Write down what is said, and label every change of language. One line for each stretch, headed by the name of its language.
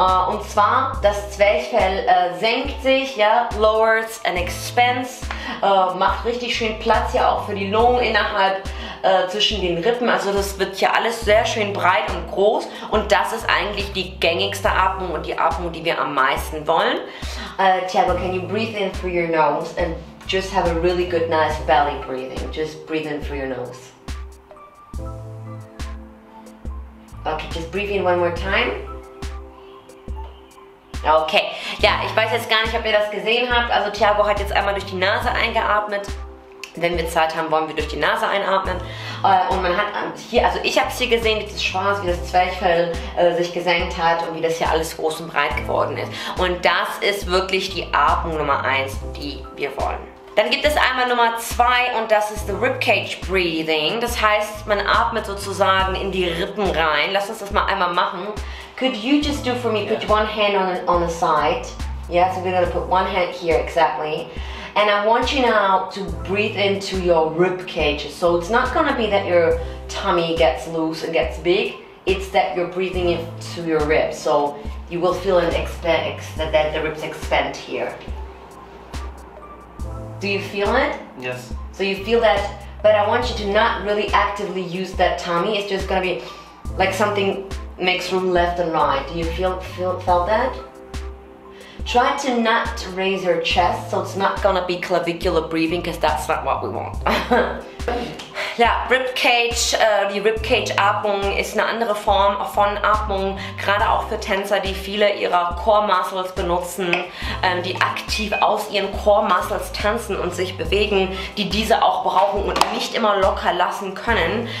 German: Und zwar das Zwerchfell senkt sich, ja,
English: lowers and expands,
German: macht richtig schön Platz hier auch für die Lungen innerhalb zwischen den Rippen, also das wird hier alles sehr schön breit und groß und das ist eigentlich die gängigste Atmung und die Atmung, die wir am meisten wollen.
English: Thiago, can you breathe in through your nose and just have a really good nice belly breathing? Just breathe in through your nose. Okay, just breathe in one more time.
German: Okay, ja, ich weiß jetzt gar nicht, ob ihr das gesehen habt, also Thiago hat jetzt einmal durch die Nase eingeatmet. Wenn wir Zeit haben, wollen wir durch die Nase einatmen. Und man hat hier, also ich habe es hier gesehen, dieses Schwarz, wie das Zwerchfell sich gesenkt hat und wie das hier alles groß und breit geworden ist. Und das ist wirklich die Atmung Nummer 1, die wir wollen. Dann gibt es einmal Nummer 2 und das ist the Ribcage Breathing. Das heißt, man atmet sozusagen in die Rippen rein. Lass uns das mal einmal machen.
English: Could you just do for me, put one hand on the side? Yeah, so we're gonna put one hand here, exactly. And I want you now to breathe into your rib cage. So it's not gonna be that your tummy gets loose and gets big. It's that you're breathing into your ribs. So you will feel an that the ribs expand here. Do you feel it? Yes. So you feel that, but I want you to not really actively use that tummy. It's just gonna be like something makes room left and right. Do you felt that? Try to not raise your chest, so it's not gonna be clavicular breathing, because that's not what we want.
German: Ja, Ribcage, die Ribcage-Atmung ist eine andere Form von Atmung, gerade auch für Tänzer, die viele ihrer Core-Muscles benutzen, die aktiv aus ihren Core-Muscles tanzen und sich bewegen, die diese auch brauchen und nicht immer locker lassen können.